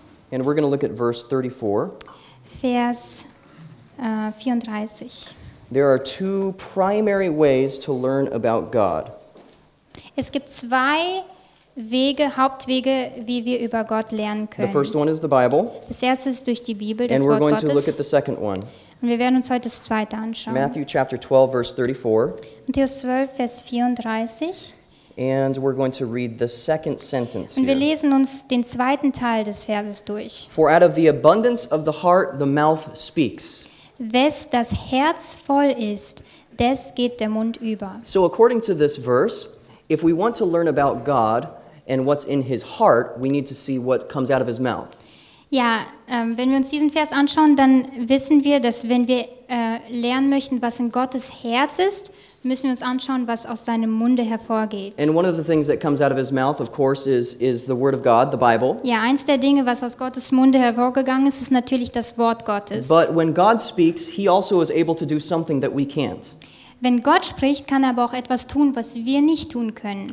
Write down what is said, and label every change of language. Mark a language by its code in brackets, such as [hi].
[en] And we're going to look at verse 34. [de] Vers 34. [en] There are two primary ways to learn about God. [de] Es gibt zwei Wege, Hauptwege, wie wir über Gott lernen können. [en] The first one is the Bible. [de] Das erste ist durch die Bibel, [en] and [de] das [en] we're [de] Wort [en] going [de] Gottes. [en] To look at the second one. [de] Und wir werden uns heute das zweite anschauen. [en] Matthew chapter 12, verse 34. [de] Matthäus 12, Vers 34. [en] And we're going to read the second sentence. [de] Und wir [en] here. [de] Lesen uns den zweiten Teil des Verses durch. [en] For out of the abundance of the heart, the mouth speaks. [de] Wes das Herz voll ist, des geht der Mund über. [en] So according to this verse, if we want to learn about God and what's in his heart, we need to see what comes out of his mouth. [de] Ja, wenn wir uns diesen Vers anschauen, dann wissen wir, dass wenn wir lernen möchten, was in Gottes Herz ist, müssen wir uns anschauen, was aus seinem Munde hervorgeht. [en] And one of the things that comes out of his mouth, of course, is the word of God, the Bible. [de] Ja, eins der Dinge, was aus Gottes Munde hervorgegangen ist, ist natürlich das Wort Gottes. [en] But when God speaks, he also is able to do something that we can't. [de] Wenn Gott spricht, kann er aber auch etwas tun, was wir nicht tun können.